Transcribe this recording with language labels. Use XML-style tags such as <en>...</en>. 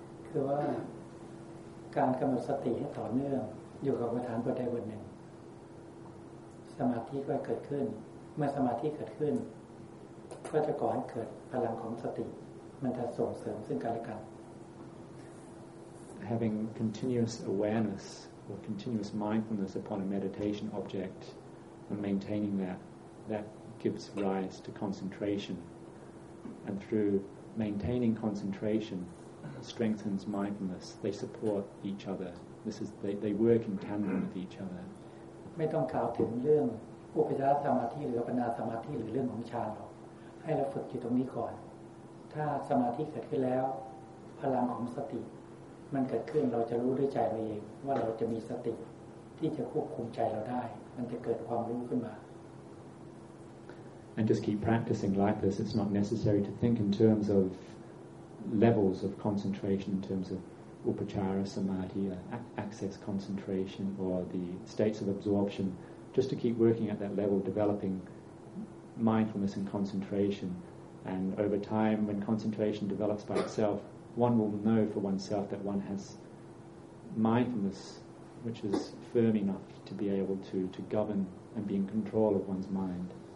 <th>คือว่าการกำหนดสติให้ต่อเนื่องอยู่กับกรรมฐานบทใดบทหนึ่งสมาธิก็เกิดขึ้นเมื่อสมาธิเกิดขึ้นก็จะก่อให้เกิดพลังของสติมันจะส่งเสริมซึ่งกันและกัน</th> <en>Having continuous awareness or continuous mindfulness upon a meditation object and maintaining that gives rise to concentration. And through maintaining concentration, strengthens mindfulness. They support each other. This is they work in tandem with each other.</en> <th>ไม่ต้องกล่าวถึงเรื่องอุปจารสมาธิหรืออัปปนาสมาธิหรือเรื่องของฌานหรอกให้เราฝึกอยู่ตรงนี้ก่อนถ้าสมาธิเกิดขึ้นแล้วพลังของสติมันเกิดขึ้นเราจะรู้ด้วยใจเองว่าเราจะมีสติที่จะควบคุมใจเราได้มันจะเกิดความรู้ขึ้นมา</th> <en>And just keep practicing like this it's not necessary to think in terms of levels of concentration in terms of upachara samadhi access concentration or the states of absorption just to keep working at that level developing mindfulness and concentration and over time when concentration develops by itselfOne will know for oneself that one has mindfulness, which is firm enough to be able to govern and be in control of one's mind.</en>